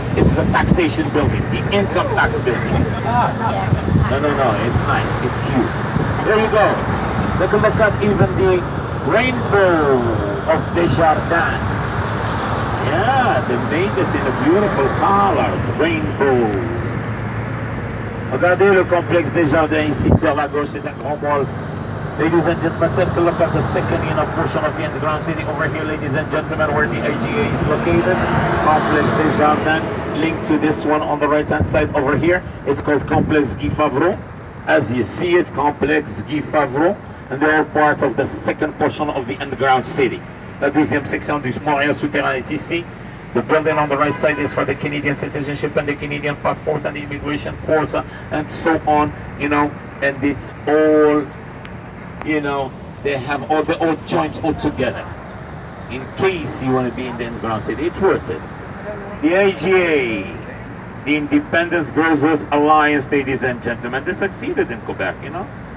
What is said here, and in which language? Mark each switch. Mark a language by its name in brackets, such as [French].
[English] It's the taxation building, the income tax building. No, it's nice, it's cute. There you go. Take a look at even the rainbow of Desjardins. Yeah, they made it in a beautiful colors, rainbow. [French] Regardez le complexe Desjardins ici sur la gauche, c'est un grand mall. [English] Ladies and gentlemen, take a look at the second portion of the underground city over here, ladies and gentlemen, where the IGA is located. Complex Desjardins, linked to this one on the right hand side over here. It's called Complex Guy Favreau. As you see, it's Complex Guy Favreau. And they're all parts of the second portion of the underground city. [French] La deuxième section du Montréal souterrain is ici. [English] The building on the right side is for the Canadian citizenship and the Canadian passport and the immigration courts and so on, you know, and it's all, you know, they have all the old joints all together. In case you want to be in the underground city, it's worth it. The IGA, the Independence Grocers Alliance, ladies and gentlemen, they succeeded in Quebec, you know.